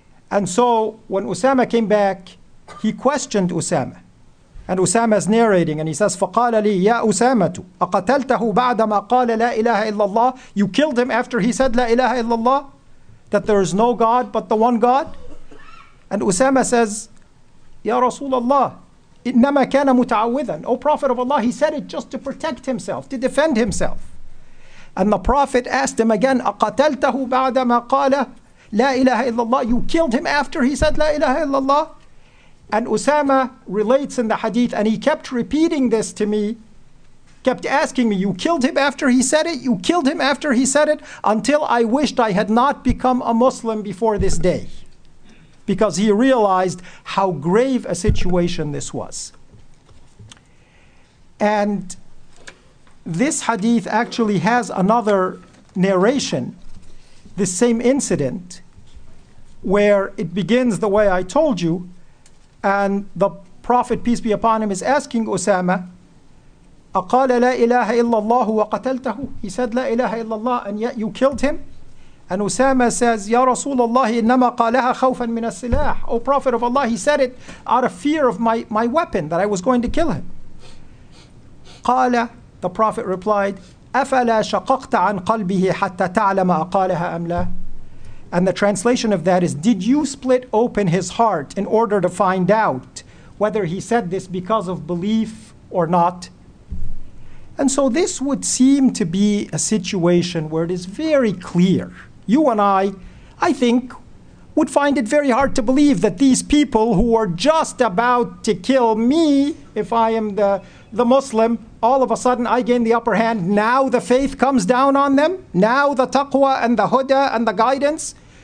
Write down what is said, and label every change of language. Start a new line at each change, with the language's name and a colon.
English: And so when Usama came back, he questioned Usama. And Usama is narrating and he says,
Arabic: فَقَالَ لِي يَا أُسَامَةُ أَقَتَلْتَهُ بَعْدَمَا قَالَ لَا إِلَهَ إِلَّا اللَّهِ.
English: You killed him after he said,
Arabic: لَا إِلَهَ إِلَّا اللَّهِ,
English: that there is no God but the one God. And Usama says,
Arabic: يَا رَسُولَ اللَّهِ إِنَّمَا كَانَ مُتَعَوِّذًا.
English: O Prophet of Allah, he said it just to protect himself, to defend himself. And the Prophet asked him again,
Arabic: أَقَتَلْتَهُ بَعْدَمَا قَالَ لَا إِلَهَ إِلَّا اللَّهِ.
English: You killed him after he said,
Arabic: لَا إِلَهَ إِلَّا اللَّهِ.
English: And Usama relates in the hadith, and he kept repeating this to me, kept asking me, you killed him after he said it? You killed him after he said it? Until I wished I had not become a Muslim before this day. Because he realized how grave a situation this was. And this hadith actually has another narration, the same incident, where it begins the way I told you, and the Prophet, peace be upon him, is asking Usama,
Arabic: أَقَالَ لَا إِلَهَ إِلَّا اللَّهُ وَقَتَلْتَهُ.
English: He said,
Arabic: لَا إِلَهَ إِلَّا اللَّهُ,
English: and yet you killed him. And Usama says,
Arabic: يَا رَسُولَ اللَّهِ إِنَّمَا قَالَهَا خَوْفًا مِنَ السِّلَاحِ.
English: O Prophet of Allah, he said it out of fear of my weapon, that I was going to kill him.
Arabic: قَالَ,
English: the Prophet replied,
Arabic: أَفَلَا شَقَقْتَ عَنْ قَلْبِهِ حَتَّى تَعْلَمَ أَقَالَهَا أَمْ لَا.
English: And the translation of that is, did you split open his heart in order to find out whether he said this because of belief or not? And so this would seem to be a situation where it is very clear. You and I think, would find it very hard to believe that these people who are just about to kill me, if I am the Muslim, all of a sudden I gain the upper hand, now the faith comes down on them, now the taqwa and the huda and the guidance.